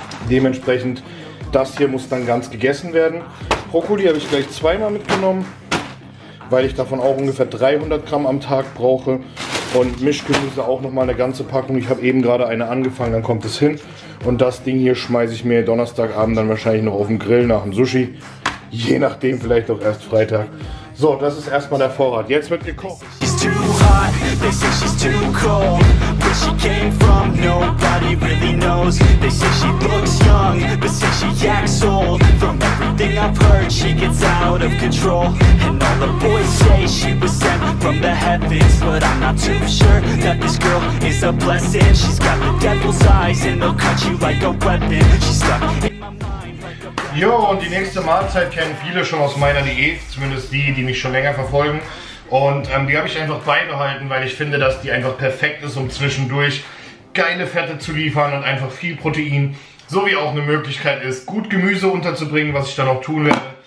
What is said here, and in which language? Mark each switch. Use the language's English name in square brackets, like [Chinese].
[German] Dementsprechend, das hier muss dann ganz gegessen werden. Brokkoli habe ich gleich 2 mitgenommen, weil ich davon auch ungefähr 300 Gramm am Tag brauche. Und Mischgemüse auch nochmal eine ganze Packung. Ich habe eben gerade eine angefangen, dann kommt es hin. Und das Ding hier schmeiße ich mir Donnerstagabend dann wahrscheinlich noch auf den Grill nach dem Sushi. Je nachdem, vielleicht auch erst Freitag. So, das ist erstmal der Vorrat. Jetzt wird gekocht. [English] They say she's too cold. Where she came from, nobody really knows. They say she looks young, but say she acts old. From everything I've heard, she gets out of control. And all the boys say she was sent from the heavens, but I'm not too sure that this girl is a blessing. She's got the devil's eyes and they'll cut you like a weapon. She's stuck in my mind. [German] Jo, und die nächste Mahlzeit kennen viele schon aus meiner Diät, zumindest die, die mich schon länger verfolgen. Und die habe ich einfach beibehalten, weil ich finde, dass die einfach perfekt ist, um zwischendurch geile Fette zu liefern und einfach viel Protein, sowie auch eine Möglichkeit ist, gut Gemüse unterzubringen, was ich dann auch tun werde.